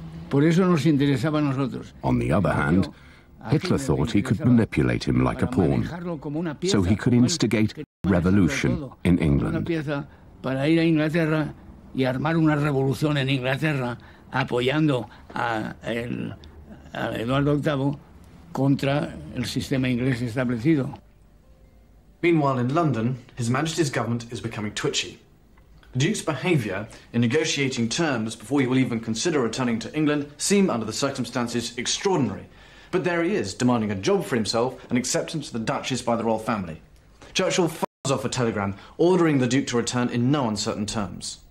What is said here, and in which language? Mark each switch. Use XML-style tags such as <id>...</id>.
<en>On the other hand, Hitler thought he could manipulate him like a pawn, so he could instigate revolution in England.</en> <es>Una pieza para ir a Inglaterra y armar una revolución en Inglaterra apoyando a Eduardo VIII contra el sistema inglés establecido.</es> <en>Meanwhile, in London, His Majesty's government is becoming twitchy. The Duke's behaviour in negotiating terms before he will even consider returning to England seem, under the circumstances, extraordinary. But there he is, demanding a job for himself and acceptance of the Duchess by the royal family. Churchill off a telegram ordering the Duke to return in no uncertain terms.</en>